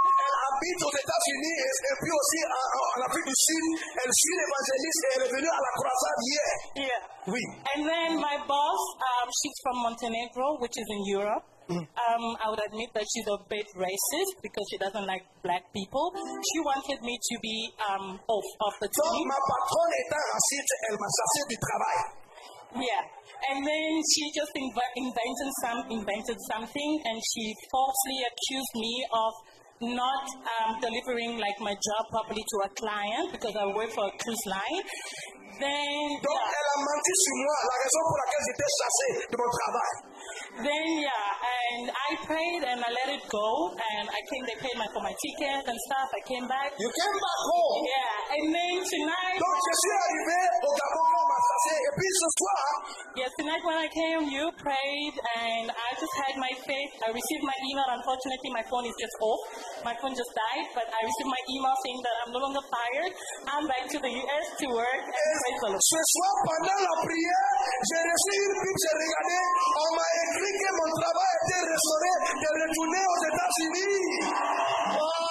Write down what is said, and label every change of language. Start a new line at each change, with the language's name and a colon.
English: I've been to the Tafi Nies, and POC, and I've been to Sin, and Sin Evangelist, and Revenue à la Croissade, yeah. Yeah.
French: Oui.
English: And then my boss, she's from Montenegro, which is in Europe. I would admit that she's a bit racist because she doesn't like black people. She wanted me to be off the team.
French: Donc, ma patronne étant raciste, elle m'a chassé du travail.
English: Yeah. And then she just invented something, and she falsely accused me of not delivering like my job properly to a client because I work for a cruise line.
French: Elle a menti sur moi, la raison pour laquelle j'étais chassé de mon travail.
English: Then, yeah, and I prayed and I let it go. And I came, they paid for my tickets and stuff. I came back. You came back home? Yeah, and then tonight.
French: Donc, je suis arrivé au Gabon, ma chassé, et puis ce soir.
English: Yes, tonight when I came, you prayed, and I just had my faith. I received my email. Unfortunately, my phone is just off. My phone just died, but I received my email saying that I'm no longer fired. I'm back to the U.S. to work.
French: Ce soir, pendant la prière, j'ai reçu une pipe, j'ai regardé, on m'a écrit que mon travail était restauré, de retourner aux États-Unis.